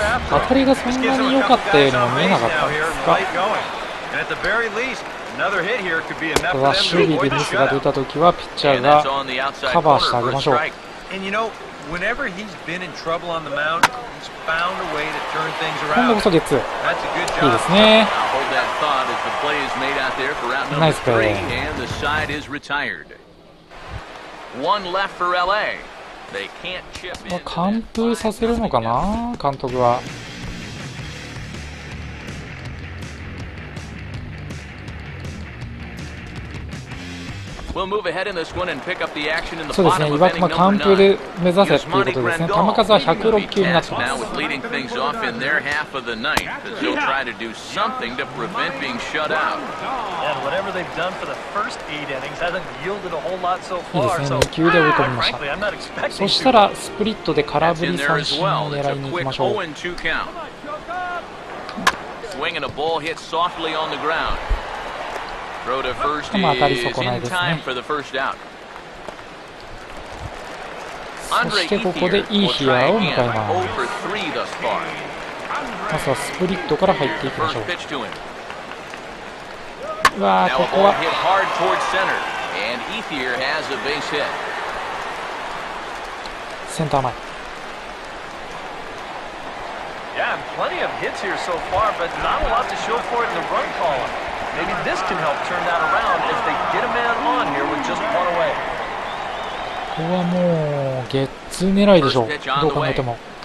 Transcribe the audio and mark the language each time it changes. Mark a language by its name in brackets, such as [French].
[Japanese] 当たりがそんなに良かったようにも見えなかったんですか。 [English] And at the very least, another hit here could be enough for them to avoid the shutout. And that's on the outside corner for a strike. And you know, whenever he's been in trouble on the mound, he's found a way to turn things around. That's a good job. [Japanese] いいですね。 [English] Now hold that thought as the play is made out there for round number three, and the side is retired. One left for LA. They can't chip in. [Japanese] 完封させるのかな、監督は。 [English] We'll move ahead in this one and pick up the action in the bottom of inning number 9. [Japanese] そうですね。岩隈完封で目指せっていうことですね。球数は106球になってます。 [English] Now with leading things off in their half of the ninth, as they'll try to do something to prevent being shut out. And whatever they've done for the first eight innings hasn't yielded a whole lot so far. [Japanese] いいですね。2球で追い込みました。そしたらスプリットで空振り三振を狙いに行きましょう。 [English] Swing and a ball hit softly on the ground. Throw to first is in time for the first out. Andre Ethier will try again. 0 for 3 thus far. [Japanese] まずはスプリットから入っていきましょう。 [English] Now a ball hit hard towards center, and Ethier has a base hit. [Japanese] Center 前。 [English] Yeah, plenty of hits here so far, but not a lot to show for it in the run column. Maybe this can help turn that around as they get a man on here with just one away. [Japanese] ここはもうゲッツ狙いでしょう。どう考えても。